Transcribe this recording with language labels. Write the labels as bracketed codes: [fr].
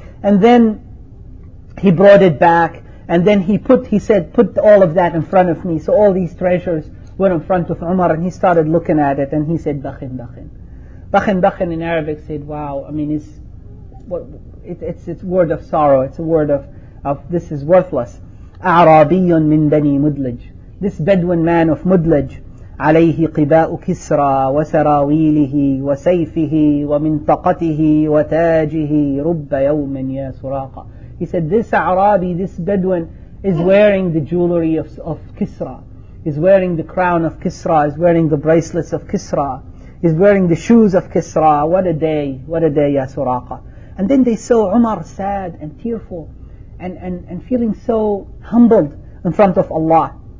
[en] And then he brought it back. And then he said, put all of that in front of me. So all these treasures were in front of Umar. And he started looking at it. And he said, [ar] Bakhin Bakhin. Bakhin Bakhin [en] in Arabic said, wow, I mean, it's a word of sorrow. It's a word of this is worthless. [ar] أعرابي من بني مدلج. [en] This Bedouin man of Mudlaj, [ar] عليه قباء كسرى وسراويله وسيفه ومنطقته وتاجه رب يوم يا سراقة. [en] He said, this Arabi, this Bedouin is wearing the jewelry of Kisra, is wearing the crown of Kisra, is wearing the bracelets of Kisra, is wearing the shoes of Kisra. What a day, what a day, ya Suraqa. And then they saw Umar sad and tearful and feeling so humbled in front of Allah.